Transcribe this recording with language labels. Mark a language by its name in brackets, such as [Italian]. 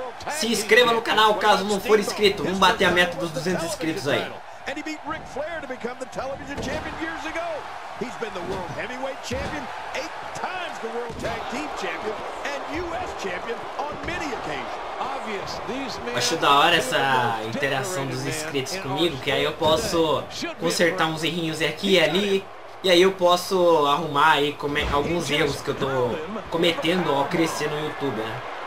[Portuguese] Se inscreva no canal caso não for inscrito, vamos bater a meta dos 200 inscritos aí. [English] And he beat Ric Flair to become the television champion years ago. He's been the world heavyweight champion, 8 times the world tag team champion, and U.S. champion on many occasions. Obvious, these men... [Portuguese] Acho da hora essa interação dos inscritos comigo, que aí eu posso consertar uns errinhos aqui e ali, e aí eu posso arrumar aí alguns erros que eu tô cometendo ao crescer no YouTube, né?